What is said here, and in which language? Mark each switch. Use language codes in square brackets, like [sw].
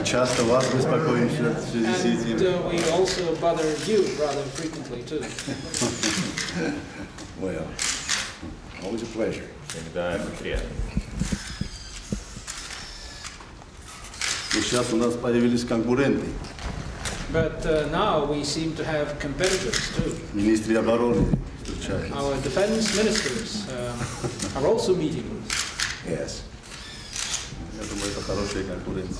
[ru] Часто вас беспокоим, что сидим. [en] And we also bother you rather frequently too. Well, always a pleasure. [ru] Всегда приятно. Сейчас у нас появились конкуренты. [en] But now we seem to have competitors too. [ru] Министры обороны встречаются. [en] Our defense ministers are also meeting. Yes. [ru] Я думаю, это хорошие конкуренты.